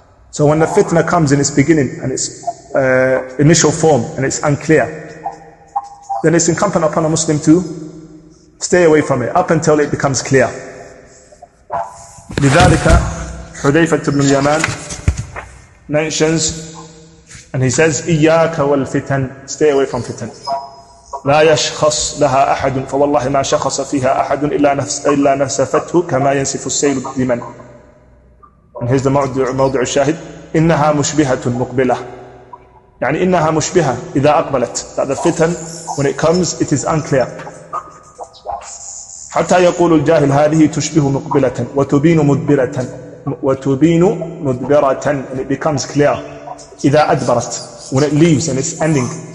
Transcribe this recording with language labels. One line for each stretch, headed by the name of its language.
English: So when the fitna comes in its beginning and its initial form and it's unclear, then it's incumbent upon a Muslim to stay away from it up until it becomes clear. لذلك حذيفه بن اليمان mentions, and he says,
Arabic: إياك والفتن,
English: stay away from fitan.
Arabic: لا يشخص لها أحد فوالله ما شخص فيها أحد إلا نسفته كما ينسف السيل دما.
English: And here's the
Arabic: موضع الشاهد, إنها مشبهة مقبلة. يعني إنها مشبهة إذا أقبلت.
English: That the fitan, when it comes, it is unclear.
Arabic: حتى يقول الجاهل هذه تشبه مقبلة وتبين مدبرة. وتبين مدبرة,
English: and it becomes clear.
Arabic: إذا أدبرت,
English: when it leaves and it's ending.